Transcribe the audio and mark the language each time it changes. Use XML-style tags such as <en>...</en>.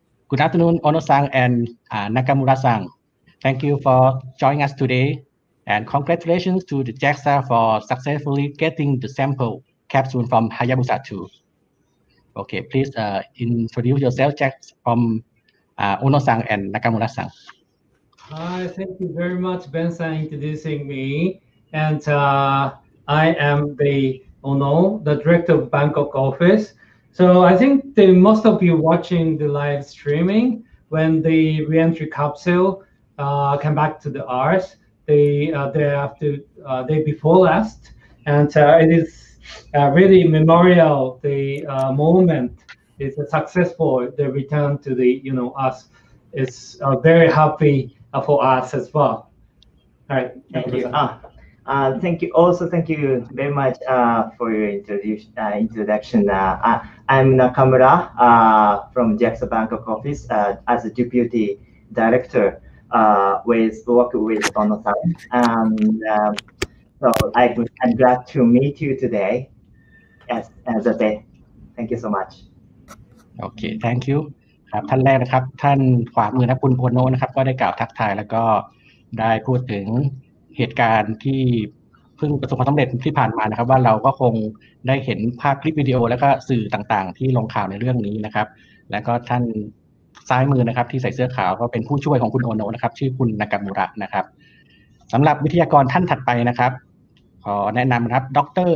<en>คุณอาตุนุนโอนุซังแอนด์นากามูระซัง Thank you for joining us today and congratulations to the JAXA for successfully getting the sample capsule from Hayabusa 2 Okay, please introduce yourself Jack from Ono-san and Nakamura-san. Hi, thank you very much, Ben-san, introducing me. And I am the Ono, the director of Bangkok office. So I think the most of you watching the live streaming, when the re-entry capsule came back to the Earth, the day after, day before last, and it is really memorial the moment. It's a successful the return to the Earth. It's very happy. For us as well. All right. Thank you. Thank you. Also, thank you very much for your introduction. I'm Nakamura from JAXA Bangkok office as a deputy director with Ono-san. I'm glad to meet you today. Yes, as a day. Thank you so much. Okay. Thank you.</en> <th>ครับท่านแรกนะครับท่านขวามือนะคุณโอนโนนะครับก็ได้กล่าวทักทายแล้วก็ได้พูดถึงเหตุการณ์ที่เพิ่งประสบความสำเร็จที่ผ่านมานะครับว่าเราก็คงได้เห็นภาพคลิปวิดีโอแล้วก็สื่อต่างๆที่ลงข่าวในเรื่องนี้นะครับแล้วก็ท่านซ้ายมือนะครับที่ใส่เสื้อขาวก็เป็นผู้ช่วยของคุณโอนโนนะครับชื่อคุณนากามูระนะครับสำหรับวิทยากรท่านถัดไปนะครับขอแนะนำครับดร.</th>